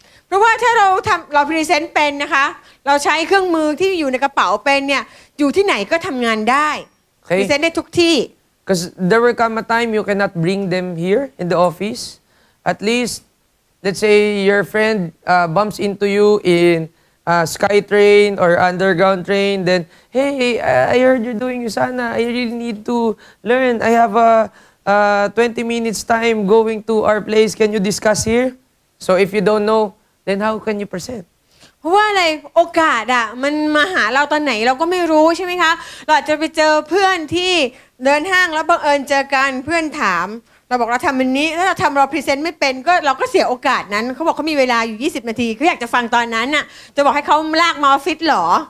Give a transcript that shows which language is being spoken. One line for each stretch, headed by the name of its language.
Thai: เพราะว่าถ้าเราพรีเซนต์เป็นนะคะเราใช้เครื่องมือที่อยู่ในกระเป๋าเป็นเนี่ยอยู่ที่ไหนก็ทำงานได้
English: okay.
Thai: พรีเซนต์ได้ทุกที่
English: because there will come a time you cannot bring them here in the office at leastLet's say your friend bumps into you in sky train or underground train. Then, hey, I heard you're doing USANA. I really need to learn. I have a 20 minutes time going to our place. Can you discuss here? So if you don't know, then how can you present?
Thai: ว่าอะไรโอกาสอ่ะมันมาหาเราตอนไหนเราก็ไม่รู้ใช่ไหมคะเราอาจจะไปเจอเพื่อนที่เดินห้างแล้วบังเอิญเจอกันเพื่อนถามเราบอกเราทำอันนี้ถ้าเราทำเราพรีเซนต์ไม่เป็นก็เราก็เสียโอกาสนั้นเขาบอกเขามีเวลาอยู่20นาทีเขาอยากจะฟังตอนนั้นอ่ะจะบอกให้เขาลากมาออฟฟิศหรอ